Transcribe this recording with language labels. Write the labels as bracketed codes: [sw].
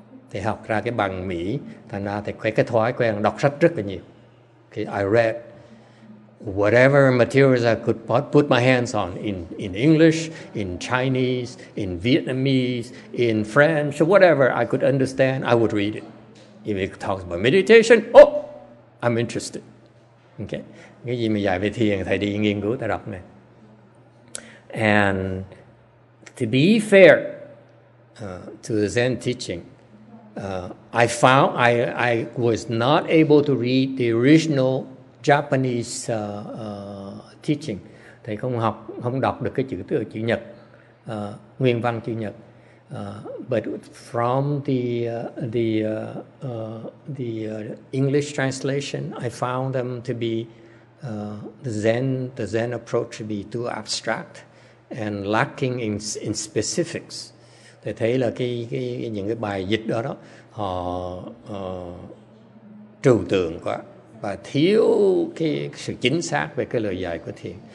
[vi] Thì học ra cái bằng Mỹ, thành ra thì cái thói quen đọc sách rất là nhiều. [en] Okay, I read whatever materials I could put my hands on in English, in Chinese, in Vietnamese, in French, whatever I could understand, I would read it. If it talks about meditation, oh, I'm interested. Okay. [vi] Cái gì mà dạy về thiền, thầy đi nghiên cứu, thầy đọc này. [en] And to be fair to the Zen teaching, I was not able to read the original Japanese teaching. [vi] Thầy không đọc được cái chữ Nhật, nguyên văn chữ Nhật. [en] But from the English translation, I found them to be the Zen approach to be too abstract and lacking in specifics. [vi] Thầy thấy là cái những cái bài dịch đó họ trừu tượng quá và thiếu cái sự chính xác về cái lời dạy của thiền.